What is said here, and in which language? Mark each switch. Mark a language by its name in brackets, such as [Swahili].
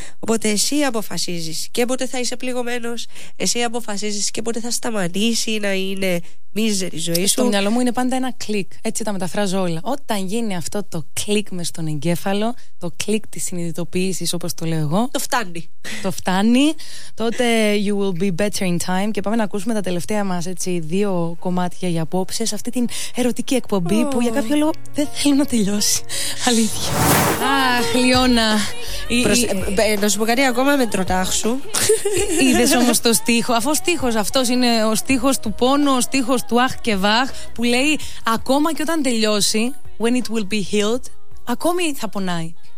[Greek] Οπότε εσύ αποφασίζεις και πότε θα είσαι πληγωμένος, εσύ αποφασίζεις και πότε θα σταματήσει να είναι μίζερη η ζωή σου. Στο μυαλό μου είναι πάντα ένα κλικ. Έτσι τα μεταφράζω όλα. Όταν γίνει αυτό το κλικ με στον εγκέφαλο, το κλικ της συνειδητοποίησης, όπως το λέω εγώ. Το φτάνει. Το φτάνει. Τότε [English] you will be better in time. [Greek] Και πάμε να ακούσουμε τα τελευταία μας δύο κομμάτια για απόψε σε αυτή την ερωτική εκπομπή που για κάποιο λόγο δεν θέλει να τελειώσει. Αλήθεια. Αχ, Λιώνα. Να σου πω κάτι ακόμα με τροτάξου. Είδες όμως το στίχο. Αφού στίχος αυτός είναι ο στίχος του πόνου, ο στίχος του αχ και βαχ, που λέει ακόμα και όταν τελειώσει, [English] when it will be healed, [Greek] ακόμη θα πονάει.